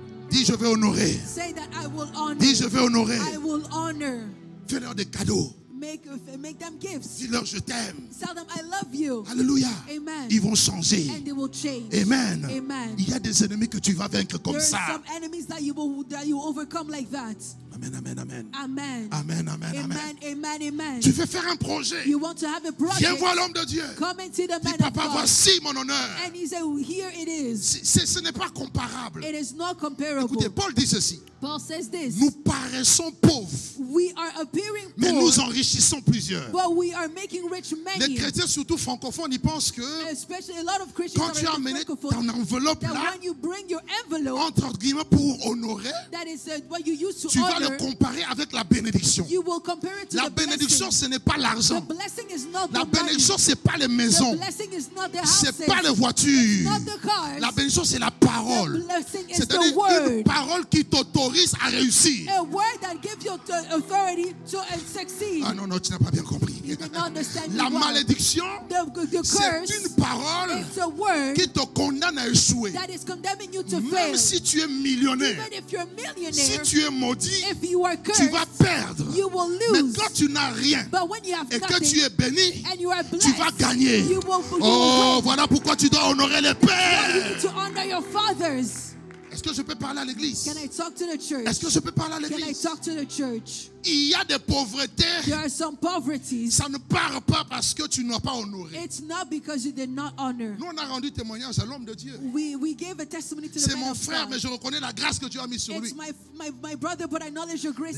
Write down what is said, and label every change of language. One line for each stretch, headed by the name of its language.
French: Dis je vais honorer.
English: Say that I will honor.
French: Dis je vais honorer.
English: I will honor.
French: Fais-leur des cadeaux.
English: Make them gifts.
French: Dis-leur je t'aime.
English: Tell them I love you. Alléluia. Amen.
French: Ils vont changer.
English: And they will change. Amen. Amen.
French: Il y a des ennemis que tu vas vaincre comme
English: there
French: ça.
English: There are some enemies that you overcome like that. Amen. Amen. Amen. Amen. Amen. Amen. Amen. Amen. Amen.
French: Tu veux faire un projet?
English: You want to have a project?
French: Viens voir l'homme de Dieu.
English: Come and see the man
French: dis, papa,
English: of God.
French: Papa, voici mon honneur.
English: And he said, here it is.
French: Ce n'est pas comparable.
English: It is not comparable.
French: Écoutez, Paul dit ceci.
English: Paul says this.
French: Nous paraissons pauvres.
English: We are appearing poor.
French: Mais nous enrichissons plusieurs.
English: But we are making rich many.
French: Les chrétiens, surtout francophones, ils pensent que
English: especially a lot of Christians
French: quand tu as amené ton enveloppe là,
English: when you bring your envelope,
French: entre guillemets, pour honorer,
English: that is what you use to
French: tu
English: honor,
French: vas le comparer avec la bénédiction.
English: You will compare it to
French: la
English: the
French: bénédiction,
English: blessing.
French: Ce n'est pas l'argent.
English: The blessing is not
French: la
English: the
French: bénédiction, ce n'est pas les maisons.
English: The blessing is not the houses.
French: Ce n'est pas les voitures.
English: It's not the cars.
French: La bénédiction, c'est la parole.
English: The blessing is
French: c'est-à-dire
English: the word.
French: Une parole qui t'autorise à réussir.
English: A word that gives you authority to succeed.
French: Ah non, tu n'as pas bien compris. La malédiction, c'est une parole qui te condamne à échouer.
English: That is condemning you to
French: même
English: fail.
French: Si tu es millionnaire,
English: even if you're a millionaire,
French: si tu es maudit,
English: if you are cursed,
French: tu vas perdre.
English: You will lose.
French: Mais quand tu n'as rien
English: but when you have
French: et que tu es béni,
English: and you are blessed,
French: tu vas gagner.
English: You will, oh, you
French: voilà pourquoi tu dois honorer les pères.
English: You need to honor your fathers.
French: Est-ce que je peux parler à l'église?
English: Can I talk to the church?
French: Est-ce que je peux parler à l'église?
English: Can I talk to the church?
French: Il y a des pauvretés.
English: There are some poverties.
French: Ça ne part pas parce que tu n'as pas honoré.
English: It's not because you did not honor.
French: Nous on a rendu témoignage à l'homme de Dieu.
English: We gave a testimony to the man.
French: C'est mon frère, mais je reconnais la grâce que Dieu a mis sur lui.
English: It's my brother, but I acknowledge your grace.